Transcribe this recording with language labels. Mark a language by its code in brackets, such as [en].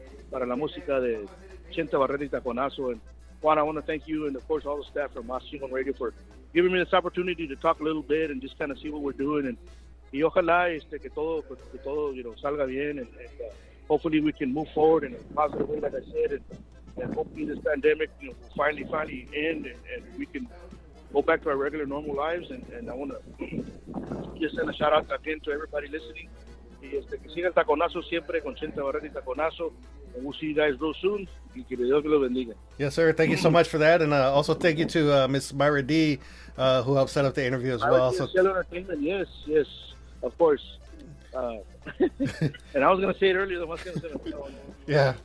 [es] Para la música de Chente Barrera y Taconazo. [en] And Juan, I want to thank you and, of course, all the staff from Más Chingón Radio for giving me this opportunity to talk a little bit and just kind of see what we're doing. [es] And ojalá que todo, you know, salga bien. [en] And hopefully we can move forward in a positive way, like I said. And hopefully this pandemic, you know, will finally end and we can go back to our regular normal lives. And I want to just send a shout out again to everybody listening. [es] Y que siga el taconazo siempre con Chente Barrera y Taconazo. [en] And we'll see you guys real soon. [es] Y que Dios lo bendiga. [en] Yes, sir. Thank you so much for that. And also thank you to Miss Myra D, who helped set up the interview as well. So... Yes, of course. and I was going to say it earlier. Yeah.